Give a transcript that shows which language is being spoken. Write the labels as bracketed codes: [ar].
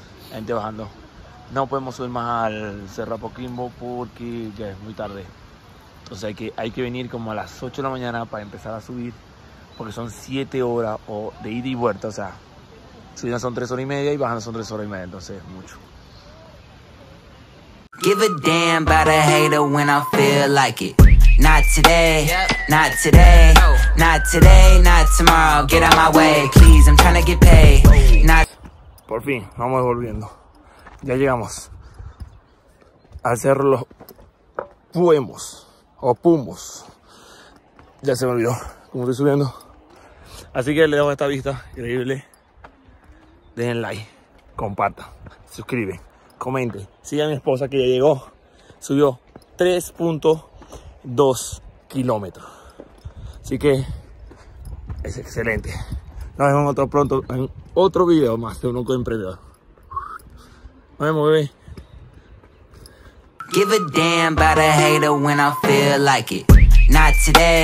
[es] Gente bajando, no podemos subir más al Cerro Apoquimbo porque ya es muy tarde. Entonces hay que venir como a las 8 de la mañana para empezar a subir. Porque son 7 horas o de ida y vuelta. O sea, subiendo son 3 horas y media y bajando son 3 horas y media. Entonces es mucho. [en] Give a damn about a hater when I feel like it. Not today, not today, not today, not tomorrow. Get out my way, please, I'm trying to get paid. [es] Not... Por fin, vamos volviendo. Ya llegamos. Al Cerro Los Puemos. O Pumbos. Ya se me olvidó como estoy subiendo. Así que le dejo esta vista increíble. Dejen like, compartan, suscriben, comenten. Sigan a mi esposa que ya llegó. Subió 3.2 kilómetros. Así que es excelente. Nos vemos otro pronto en otro video más de Un Loco Emprendedor. Nos vemos, bebé. [en] Give a damn about a hater when I feel like it. Not today.